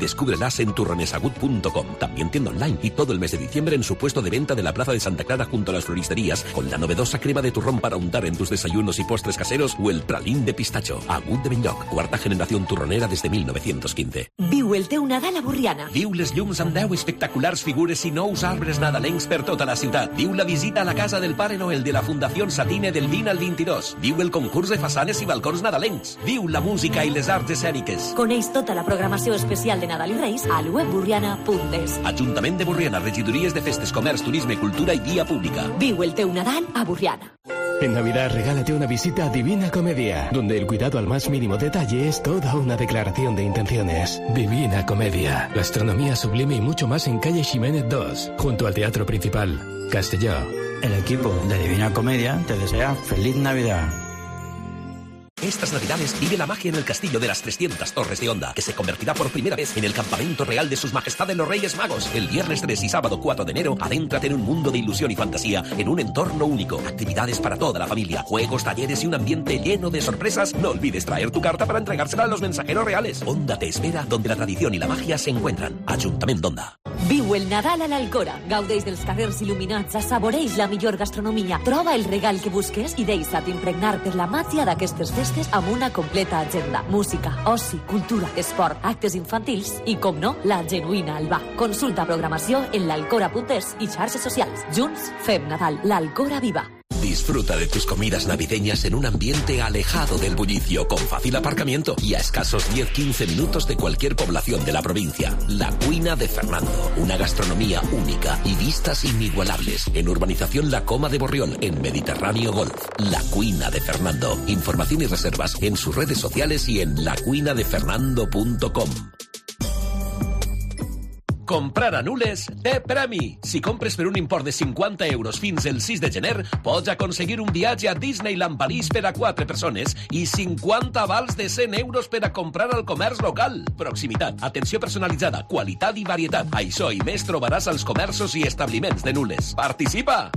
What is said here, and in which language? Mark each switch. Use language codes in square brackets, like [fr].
[es] Descúbrelas en turronesagut.com. También tienda online y todo el mes de diciembre en su puesto de venta de la Plaza de Santa Clara junto a las floristerías, con la novedosa crema de turrón para untar en tus desayunos y postres caseros, o el pralín de pistacho. Agut de Benlloc, cuarta generación turronera desde 1915. [ca] Viu el teu Nadal a Borriana. Viu les llums amb 10 espectaculars figures i nous arbres nadalencs per tota la ciutat. Viu la visita a la casa del Pare Noel de la Fundación Satine del 20 al 22. Viu el concurs de façanes i balcons nadalencs. Viu la música i les arts escèniques. Coneix tota la programació especial de Nadal i Reis al web burriana.es. Ajuntament de Borriana, regidories de festes, comerç, turisme, cultura i guia pública. Viu el teu Nadal a Borriana. [es] En Navidad regálate una visita a Divina Comedia, donde el cuidado al más mínimo detalle es toda una declaración de intenciones. Divina Comedia, gastronomía sublime y mucho más en calle Jiménez 2, junto al Teatro Principal, Castelló. El equipo de Divina Comedia te desea feliz Navidad. Estas Navidades vive la magia en el castillo de las 300 Torres de Onda, que se convertirá por primera vez en el campamento real de sus majestades los Reyes Magos. El viernes 3 y sábado 4 de enero, adéntrate en un mundo de ilusión y fantasía, en un entorno único. Actividades para toda la familia, juegos, talleres y un ambiente lleno de sorpresas. No olvides traer tu carta para entregársela a los mensajeros reales. Onda te espera, donde la tradición y la magia se encuentran. Ayuntamiento Onda. [ca] Viu el Nadal a l'Alcora. Gaudeix dels carrers il·luminats, assaboreix la millor gastronomia, troba el regal que busques i deixa't impregnar per la màgia d'aquestes festes amb una completa agenda. Música, oci, cultura, esport, actes infantils i, com no, la genuïna Alba. Consulta programació en l'alcora.es i xarxes socials. Junts, fem Nadal. L'Alcora viva. [es] Disfruta de tus comidas navideñas en un ambiente alejado del bullicio, con fácil aparcamiento y a escasos 10-15 minutos de cualquier población de la provincia. La Cuina de Fernando, una gastronomía única y vistas inigualables en urbanización La Coma de Borrión, en Mediterráneo Golf. La Cuina de Fernando. Información y reservas en sus redes sociales y en lacuinadefernando.com. [ca] Comprar a nules té premi. Si compres per un import de 50 euros fins el 6 de gener, pots aconseguir un viatge a Disneyland París per a 4 persones i 50 vals de 100 euros per a comprar al comerç local. Proximitat, atenció personalitzada, qualitat i varietat. Això i més trobaràs als comerços i establiments de nules. Participa!